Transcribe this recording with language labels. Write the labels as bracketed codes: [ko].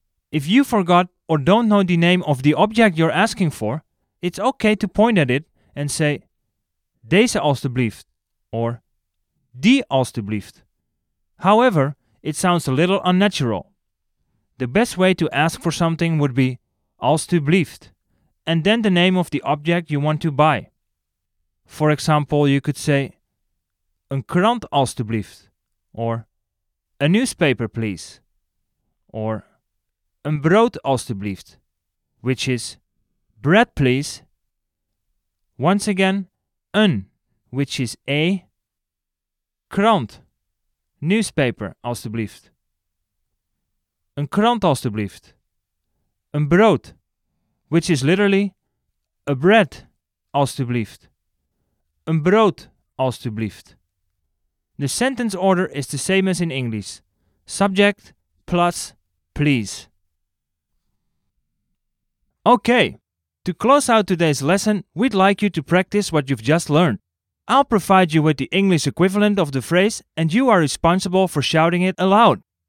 [en] If you forgot or don't know the name of the object you're asking for, it's okay to point at it and say [nl] deze als tu blieft [en] or [nl] die als tu blieft. [en] However, it sounds a little unnatural. The best way to ask for something would be [nl] als tu blieft. [en] And then the name of the object you want to buy. For example, you could say [nl] een krant alstublieft, [en] or a newspaper please, or [nl] een brood alstublieft, [en] which is bread please. Once again, een, which is a krant, newspaper [nl] alstublieft, een krant alstublieft, een brood, [en] which is literally a bread, alstublieft. [nl] Een brood, alstublieft. [en] The sentence order is the same as in English. Subject plus please. Okay, to close out today's lesson, we'd like you to practice what you've just learned. I'll provide you with the English equivalent of the phrase and you are responsible for shouting it aloud.